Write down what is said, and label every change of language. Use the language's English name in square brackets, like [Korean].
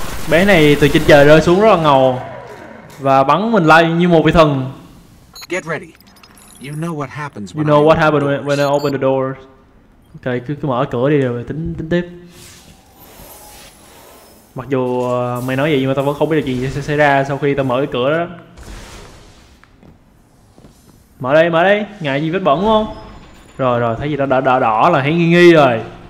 [Vietnamese] Bé này từ trên trời rơi xuống rất là ngầu và bắn mình lại như một vị thần. [English] Get ready. You know what happens when you know what happens when I open the doors. [Vietnamese] Ok, cứ mở cửa đi rồi tính tính tiếp. Mặc dù mày nói vậy nhưng mà tao vẫn không biết được gì sẽ xảy ra sau khi tao mở cái cửa đó. Mở đây, ngại gì vết bẩn đúng không? Rồi rồi, thấy gì đó đỏ là thấy nghi nghi rồi.